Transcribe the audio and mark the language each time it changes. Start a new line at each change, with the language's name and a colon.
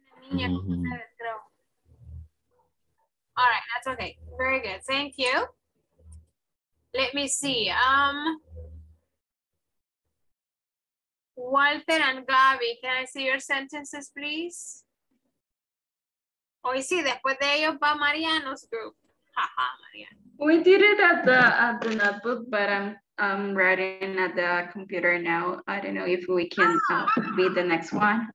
English: Mm-hmm. that's okay. Very good. Thank you. Let me see. Walter and Gabby, can I see your sentences, please?
Spanish: Hoy sí, después de ellos va Mariano's group. Jaja, Mariano.
English: We did it at the notebook, but I'm writing at the computer now. I don't know if we can be the next one.